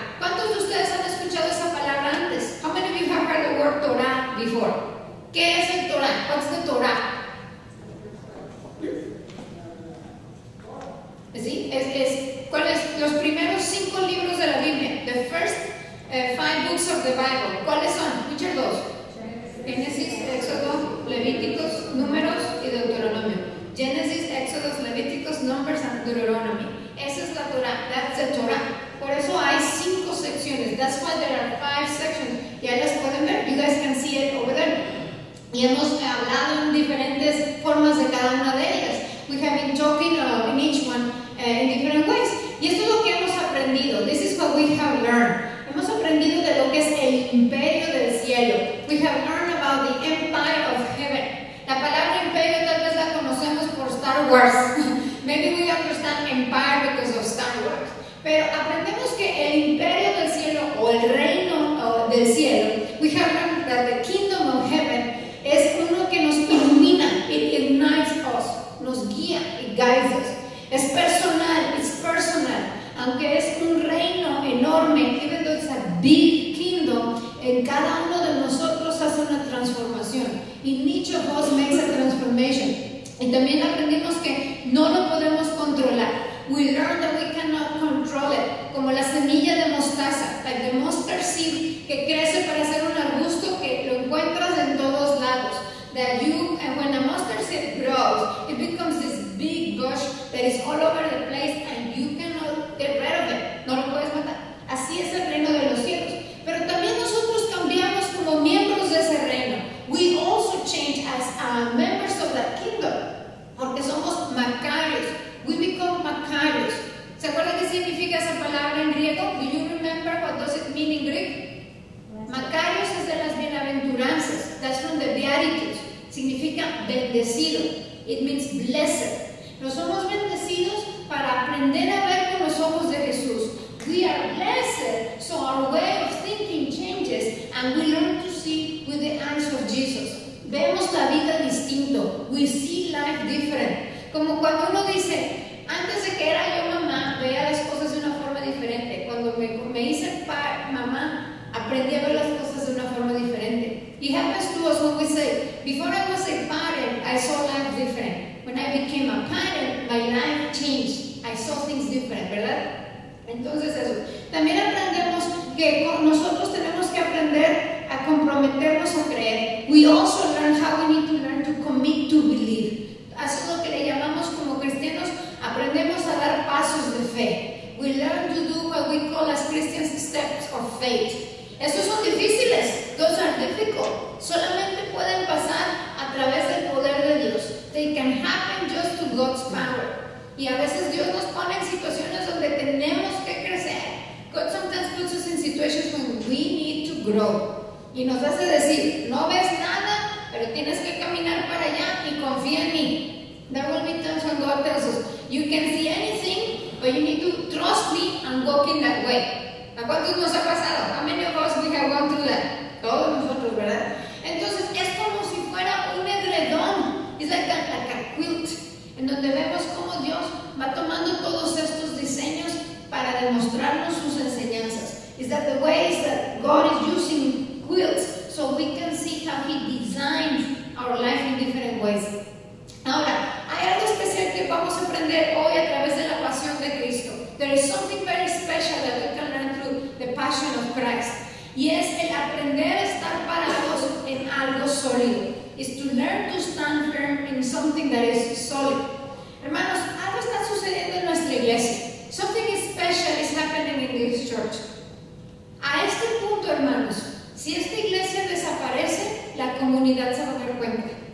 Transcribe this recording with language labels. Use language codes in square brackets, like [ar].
[es] ¿Cuántos de ustedes han escuchado esa palabra antes? [en] How many of you have heard the word Torah before? [es] ¿Qué es el Torah? [en] What's the Torah? [es] ¿Sí? Es ¿cuáles los primeros cinco libros de la Biblia? [en] The first five books of the Bible. [es] ¿Cuáles son? [en] Which are those? [es] Génesis, Éxodo, Levíticos, Números y Deuteronomio. Génesis, Éxodo, Levíticos, Números y Deuteronomio. Esa es la Torah. [en] That's the Torah. [es] Por eso hay cinco secciones. [en] That's why there are five sections. [es] Ya las pueden ver. [en] You guys can see it over there. [es] Y hemos hablado en diferentes formas de cada una de ellas. [en] We have been talking in each one in different ways. [es] Y esto es lo que hemos aprendido. [en] This is what we have learned. [es] Hemos aprendido de lo que es el imperio del cielo. [en] We have learned about the empire of heaven. [es] La palabra imperio tal vez la conocemos por Star Wars. [en] Maybe we understand empire because of Star Wars. [es] Pero aprendemos que el imperio del cielo o el reino del cielo, [en] we have learned that the kingdom of heaven [es] es uno que nos ilumina, [en] it ignites us, [es] nos guía, [en] it guides us. [es] Es personal, [en] it's personal. [es] Aunque es un reino enorme, [en] even though it's a big kingdom, [es] en cada uno de nosotros hace una transformación. [en] In each of us makes a transformation. [es] Y también aprendimos que no lo podemos controlar. [en] We learned that we cannot control it. [es] Como la semilla de mostaza, [en] like the mustard seed, [es] que crece para ser un arbusto que lo encuentras en todos lados. [en] That you, and when a mustard seed grows, it becomes this big bush that is all over the place and you cannot get rid of it. [es] No lo puedes matar. Así es el reino de los cielos. Pero también nosotros cambiamos como miembros de ese reino. [en] We also change as members of that kingdom. [es] Porque somos macarios. [en] We become macarios. [es] ¿Se acuerdan qué significa esa palabra en griego? [en] Do you remember what does it mean in Greek? [es] Macarios es de las bienaventuranzas. [en] That's from the Beatitudes. [es] Significa bendecido. [en] It means blessed. [es] Nos somos bendecidos para aprender a ver con los ojos de Jesús. [en] We are blessed, so our way of thinking changes and we learn to see with the eyes of Jesus. [es] Vemos la vida distinto. [en] We see life different. [es] Como cuando uno dice, antes de que era yo mamá, veía las cosas de una forma diferente. Cuando me hice mamá, aprendí a ver las cosas de una forma diferente. [en] It happens to us when we say, before I was a parent, I saw life different. When I became a parent, my life changed. I saw things different, [es] ¿verdad? Entonces eso. También aprendemos que nosotros tenemos que aprender a comprometernos a creer. [en] We also learn how we need to learn to commit to believe. [es] Eso es lo que le llamamos como cristianos, aprendemos a dar pasos de fe. [en] We learn to do what we call as Christians steps of faith. [es] Estos son difíciles, [en] those are difficult. [es] Solamente pueden pasar a través del poder de Dios. [en] They can happen just to God's power. [es] Y a veces Dios nos pone en situaciones donde tenemos que crecer. [en] God sometimes puts us in situations when we need to grow. [es] Y nos hace decir, no ves nada, pero tienes que caminar para allá y confía en mí. [en] There will be times when God tells us, you can see anything, but you need to trust me and walk in that way. [es] ¿A cuántos nos ha pasado? [en] How many of us we have gone through that? [es] Todos nosotros, ¿verdad? Entonces es como si fuera un edredón. [en] It's like a quilt. [es] En donde vemos cómo Dios va tomando todos estos diseños para demostrarnos sus enseñanzas. [en] Is that the ways that God is using quilts so we can see how He designs our life in different ways. [es] Ahora, hay algo especial que vamos a aprender hoy a través de la pasión de Cristo. [en] There is something very special that we can learn through the passion of Christ. [es] Y es el aprender a estar parados en algo sólido. [en] Is to learn to stand firm in something that is solid. [es] Hermanos, algo está sucediendo en nuestra iglesia. [en] Something special is happening in this church. [es] A este punto, hermanos, si esta iglesia desaparece, la comunidad se va a dar cuenta.